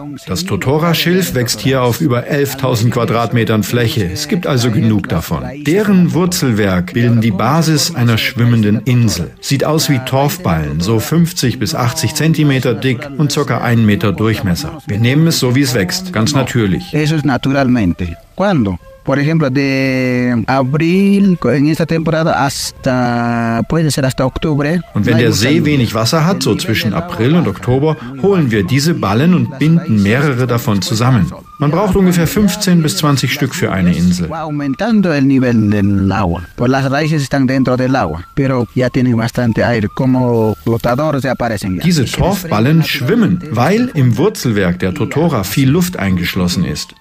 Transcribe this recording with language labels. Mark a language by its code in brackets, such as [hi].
[de] Das Totora-Schilf wächst hier auf über 11.000 Quadratmetern Fläche. Es gibt also genug davon. Deren Wurzelwerk bilden die Basis einer schwimmenden Insel. Sieht aus wie Torfballen, so 50 bis 80 Zentimeter dick und ca. 1 Meter Durchmesser. Wir nehmen es so, wie es wächst, ganz natürlich. [es] Eso es naturalmente. ¿Cuándo? Por ejemplo, de abril en esta temporada hasta puede ser hasta octubre. [de] Und wenn der See wenig Wasser hat, so zwischen April und Oktober, holen wir diese Ballen und binden mehrere davon zusammen. Man braucht ungefähr 15 bis 20 Stück für eine Insel. Diese Torfballen schwimmen, weil im Wurzelwerk der Totora viel Luft eingeschlossen ist.